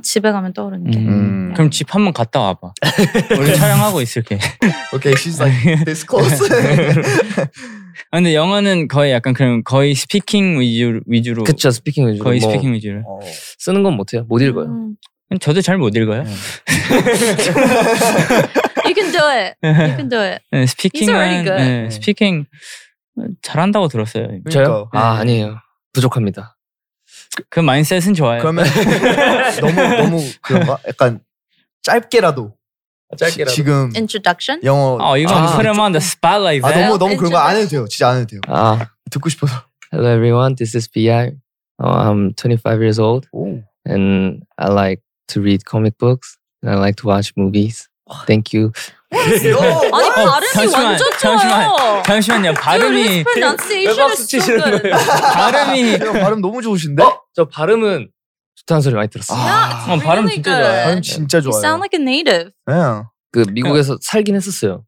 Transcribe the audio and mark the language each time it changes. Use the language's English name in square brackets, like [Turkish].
[Korean] 집에 가면 떠오르는 게. 그럼 집 한번 갔다 와봐. 우리 촬영하고 있을게. [English] Okay, she's like this close. [Korean] 근데 영어는 거의 약간 그런 거의 스피킹 위주로 그쵸 스피킹 위주로 거의 뭐 스피킹 위주로 쓰는 건 못해요 못 읽어요 저도 잘 못 읽어요 [English] You can do it You can do it [Korean] 네, 스피킹은 [English] He's already good [Korean] 네, 스피킹 잘한다고 들었어요 저요? 네. 아 아니에요 부족합니다 그 마인셋은 좋아요 그러면 너무 그런가? 약간 짧게라도 짧게라도. 지금 [English] introduction? [Korean] 영어. 어, 이건 [English] put him on the spotlight. [Korean] 아, 너무 너무 그런 거 안 해도 돼요. 진짜 안 해도 돼요. 아. 듣고 싶어서. [English] Hello everyone. This is BI. I'm 25 years old. Ooh. And I like to read comic books and I like to watch movies. Thank you. [Korean] 아니 발음이 잠시만, 완전 좋아요. 잠시만, 잠시만요. 발음이 왜박수 치시는 거예요? 발음이 발음 너무 좋으신데? 어? 저 발음은 좋다는 소리 많이 들었어요. 아, 어, 발음 [English] really [Korean] 진짜 좋아요. 발음 진짜 좋아요. [English] You sound like a native. 예. Yeah. [Korean] 그 미국에서 [English] yeah. [Korean] 살긴 했었어요.